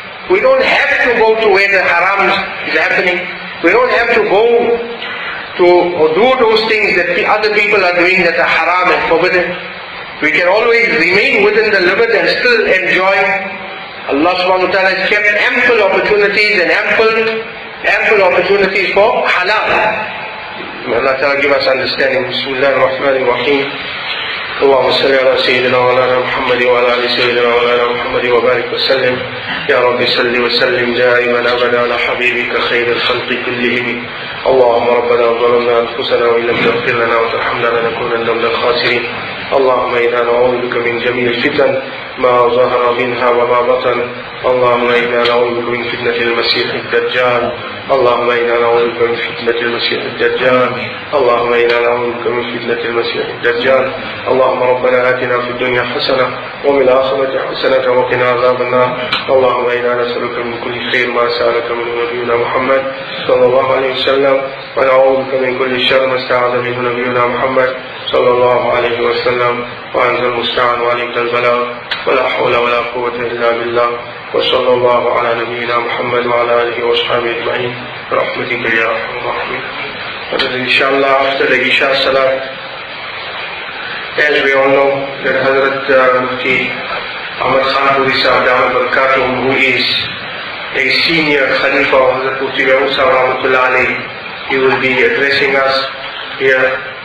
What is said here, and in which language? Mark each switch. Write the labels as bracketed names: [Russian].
[English] We don't have to go to where the haram is happening. We don't have to go to or do those things that the other people are doing that are haram and forbidden. We can always remain within the limit and still enjoy. Allah subhanahu wa ta'ala has kept ample opportunities and ample opportunities for halal. May Allah ta'ala give us understanding. [Arabic] Bismillah ar-Rahman ar-Rahim. اللهم صل على سيدنا وعلى محمد وعلى آل سيدنا وعلى محمد وبارك وسلم يا رب صل وسلم دائما أبدا على حبيبك خير الخلق كلهم. اللهم ربنا ظلمنا أنفسنا وإن لم تغفر لنا وترحمنا لنكونن من الخاسرين. اللهم إنا نعوذ بك من جميع الفتن ما ظهر منها وما بطن. اللهم إنا نعوذ بك من فتنة المسيح الدجال. اللهم إنا نعوذ بك من فتنة المسيح الدجال. اللهم إنا نعوذ بك من فتنة المسيح الدجال. اللهم ربنا آتنا في الدنيا حسنة وفي الآخرة حسنة وقنا عذاب النار. اللهم إنا نسألك من كل خير ما سألك من نبينا محمد صلى الله عليه وسلم، ونعوذ بك من كل شر ما استعاذ منه نبينا محمد صلى الله عليه وسلم، وأنت المستعان وعليك البلاغ، ولا حول ولا قوة إلا بالله. وصلى الله على نبينا محمد وعلى آله وصحبه أجمعين برحمتك يا أرحم الراحمين. إن شاء الله [English] after the Isha Salat, as we all know, that Hazrat Mufti Ahmad Khan Puri Sahib Damat Barakatuh, who is a senior Khalifa of Hazrat Mufti Behbud Sahib Rahmatullah Ali, he will be addressing us here.